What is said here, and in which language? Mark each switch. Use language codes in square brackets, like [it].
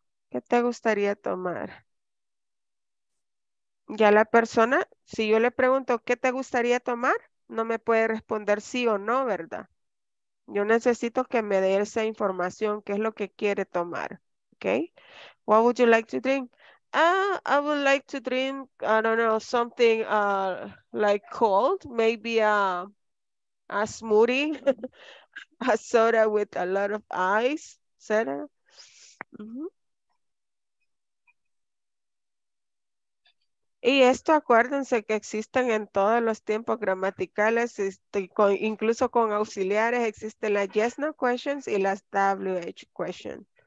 [es] ¿Qué te gustaría tomar? Ya la persona, si yo le pregunto, ¿qué te gustaría tomar? No me puede responder sí o no, ¿verdad? Yo necesito que me dé esa información, qué es lo que quiere tomar, ¿ok? [en] What would you like to drink? I would like to drink, I don't know, something like cold, maybe a smoothie, a soda with a lot of ice, etc. Mm-hmm. [es] Y esto acuérdense que existen en todos los tiempos gramaticales, incluso con auxiliares, existen las yes no questions y las WH questions.